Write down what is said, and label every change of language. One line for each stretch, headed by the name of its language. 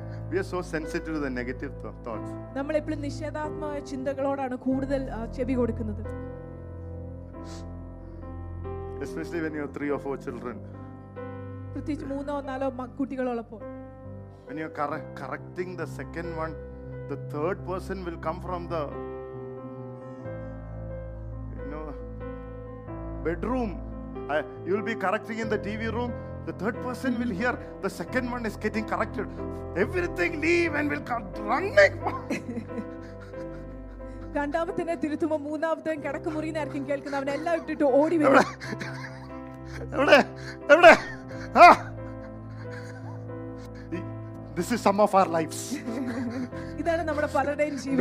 English: We are so sensitive to the negative thoughts.
Malayalam: നമ്മൾ എപ്പോഴും നിഷേധാത്മകമായ ചിന്തകളോടാണ് കൂടുതൽ ചെവി കൊടുക്കുന്നത്.
English: Especially when you have 3 or 4 children. When you are correcting the second one, the third person will come from the, you know, bedroom. You will be correcting in the TV room. The third person will hear the second one is getting corrected. Everything leave and will come running.
Malayalam: രണ്ടാമത്തെ തിരുത്തുമ്പോ മൂന്നാമത്തെ കിടക്കുമുറി നേരം കേൾക്കുന്ന അവനെല്ലാം ഇട്ടിട്ട് ഓടി വരും.
English: This is some of our lives.
Malayalam: ഇതാണ് നമ്മുടെ പലരുടെയും ജീവിതം.